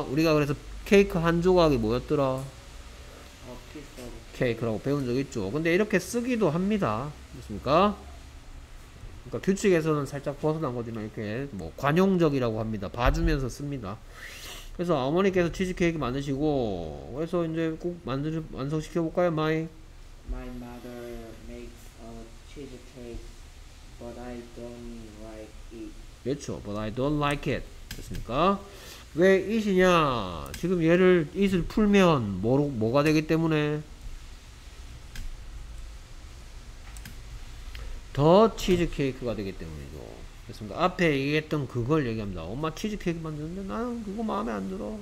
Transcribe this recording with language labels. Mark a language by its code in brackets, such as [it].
[ko] 우리가 그래서 케이크 한 조각이 뭐였더라? 케이크라고 배운 적 있죠. 근데 이렇게 쓰기도 합니다. 됐습니까? 그러니까 규칙에서는 살짝 벗어난 거지만 이렇게 뭐 관용적이라고 합니다. 봐주면서 씁니다. 그래서 어머니께서 치즈 케이크 만드시고 그래서 이제 꼭 완성시켜 볼까요, 마이? [en] My mother makes a cheesecake, but I don't like it. [ko] 그렇죠. [en] But I don't like it. [ko] 됐습니까? 왜 it이냐? 지금 얘를 it을 풀면 뭐가 되기 때문에 더 치즈케이크가 되기 때문이죠. 됐습니까? 앞에 얘기했던 그걸 얘기합니다. 엄마 치즈케이크 만드는데 나는 그거 마음에 안 들어.